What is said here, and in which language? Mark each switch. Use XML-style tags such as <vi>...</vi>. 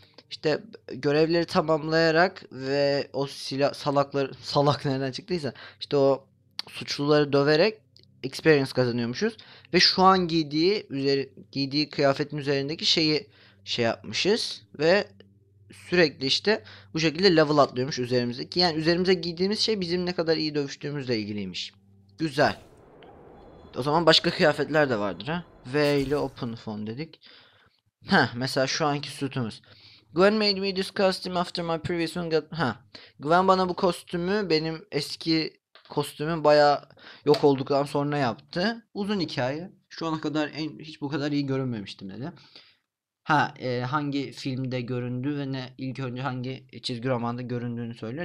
<tr>İşte görevleri tamamlayarak ve o salak nereden çıktıysa işte o suçluları döverek experience kazanıyormuşuz ve şu an giydiği kıyafetin üzerindeki şeyi şey yapmışız ve sürekli işte bu şekilde level atlıyormuş üzerimizdeki. Yani üzerimize giydiğimiz şey bizim ne kadar iyi dövüştüğümüzle ilgiliymiş. Güzel. O zaman başka kıyafetler de vardır ha. V ile open phone dedik. Heh, mesela şu anki suitumuz.</tr> <en>Gwen made me this costume after my previous one got... Ha.</en> <tr>Gwen bana bu kostümü, benim eski kostümüm bayağı yok olduktan sonra yaptı. Uzun hikaye. Şu ana kadar hiç bu kadar iyi görünmemiştim dedi. Ha, hangi filmde göründü ve ne ilk önce hangi çizgi romanda göründüğünü söylüyor.</tr>